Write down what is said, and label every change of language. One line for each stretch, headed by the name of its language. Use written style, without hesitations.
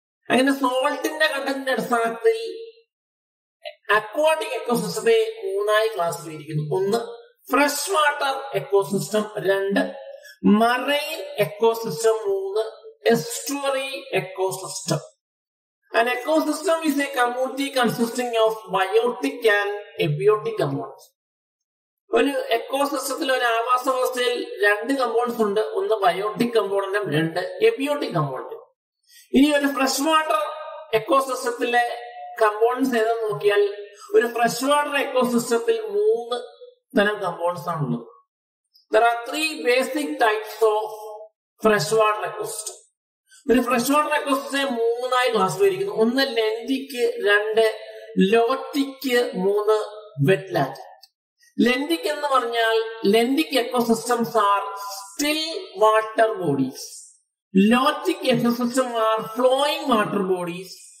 Malayalam: അങ്ങനെ സോൾട്ടിന്റെ കണ്ടന്റിന്റെ അടിസ്ഥാനത്തിൽ അക്വാട്ടിക് എക്കോസിസ്റ്റത്തെ മൂന്നായി ക്ലാസ്സിഫൈക്കുന്നു. ഒന്ന് ഫ്രഷ് വാട്ടർ എക്കോസിസ്റ്റം, രണ്ട് മറൈൻ എക്കോസിസ്റ്റം, മൂന്ന് estuary ecosystem.
English: An ecosystem is a community consisting of biotic and abiotic components.
Malayalam: ഒരു എക്കോസിസ്റ്റത്തിൽ ഒരു ആവാസ വ്യവസ്ഥയിൽ രണ്ട് കമ്പോണൻസ് ഉണ്ട്, ഒന്ന് ബയോട്ടിക് കമ്പോണന്റും രണ്ട് എബിയോട്ടിക് കമ്പോണന്റും. ഇനി ഒരു ഫ്രഷ് വാട്ടർ എക്കോസിസ്റ്റത്തിലെ കമ്പോണൻസ് ഏതെന്ന് നോക്കിയാൽ ഒരു ഫ്രഷ് വാട്ടർ എക്കോസിസ്റ്റത്തിൽ മൂന്ന് തരം കമ്പോണൻസ് ആണ് ഉള്ളത്.
English: There are three basic types of freshwater ecosystem.
Malayalam: ഒരു ഫ്രഷ് വാട്ടർ എക്കോസിസ്റ്റം മൂന്നായി ക്ലാസ്സിഫൈക്കുന്നു. ഒന്ന് ലെൻഡിക്ക്, രണ്ട് ലോട്ടിക്ക്, മൂന്ന് വെറ്റ് ലാൻഡ്. ലെൻഡിക് എന്ന് പറഞ്ഞാൽ
English: Lentic ecosystems are still water bodies. Lotic ecosystem are flowing water bodies.